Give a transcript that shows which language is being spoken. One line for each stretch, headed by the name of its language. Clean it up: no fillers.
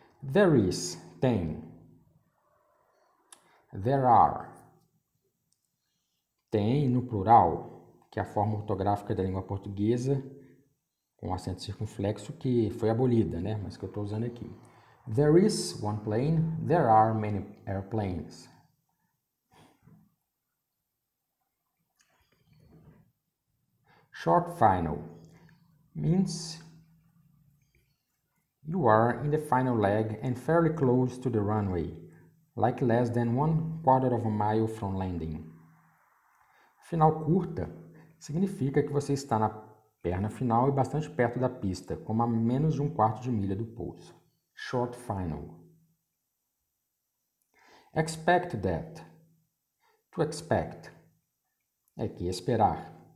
English: There is, tem. There are.
Portuguese: Tem no plural, que é a forma ortográfica da língua portuguesa, com acento circunflexo, que foi abolida, né? Mas que eu estou usando aqui.
English: There is one plane, there are many airplanes. Short final means you are in the final leg and fairly close to the runway, like less than one quarter of a mile from landing.
Portuguese: Final curta significa que você está na perna final e bastante perto da pista, como a menos de um quarto de milha do pouso.
English: Short final. Expect that. To expect.
Portuguese: É que esperar.